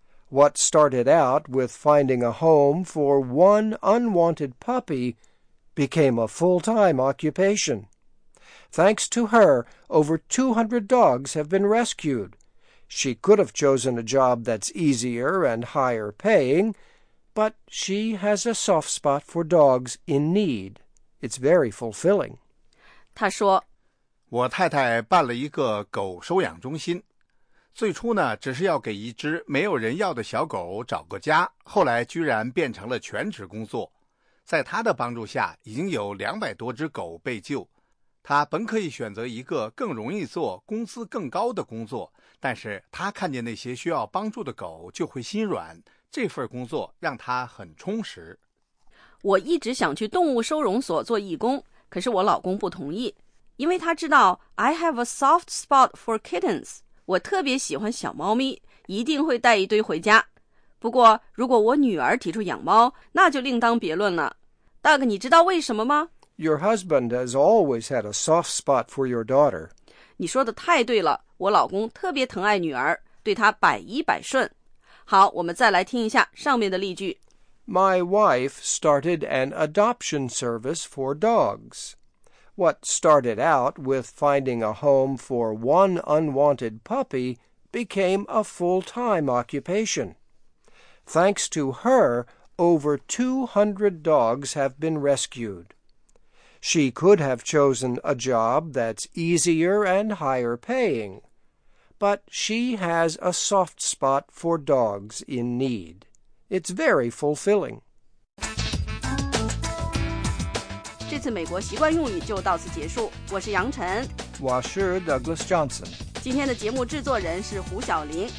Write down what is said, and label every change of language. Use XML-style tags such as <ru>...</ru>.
<en>What started out with finding a home for one unwanted puppy became a full-time occupation. Thanks to her, over 200 dogs have been rescued. She could have chosen a job that's easier and higher paying, but she has a soft spot for dogs in need. It's very fulfilling.</en> <zh>她说，我太太办了一个狗收养中心。最初呢，只是要给一只没有人要的小狗找个家，后来居然变成了全职工作。在她的帮助下，已经有200多只狗被救。她本可以选择一个更容易做、工资更高的工作，但是她看见那些需要帮助的狗就会心软，这份工作让她很充实。我一直想去动物收容所做义工，可是我老公不同意，因为他知道</zh> <en>I have a soft spot for kittens，</en> <zh>我特别喜欢小猫咪，一定会带一堆回家。不过如果我女儿提出养猫，那就另当别论了。 Doug， 你知道为什么吗？</zh> <en>Your husband has always had a soft spot for your daughter.</en> <zh>你说的太对了，我老公特别疼爱女儿，对她百依百顺。好，我们再来听一下上面的例句。</zh> <en>My wife started an adoption service for dogs. What started out with finding a home for one unwanted puppy became a full-time occupation. Thanks to her, over 200 dogs have been rescued. She could have chosen a job that's easier and higher paying, but she has a soft spot for dogs in need. It's very fulfilling.</en> <zh>这次美国习惯用语就到此结束。我是杨晨，我是 Douglas Johnson。今天的节目制作人是胡晓玲。</zh>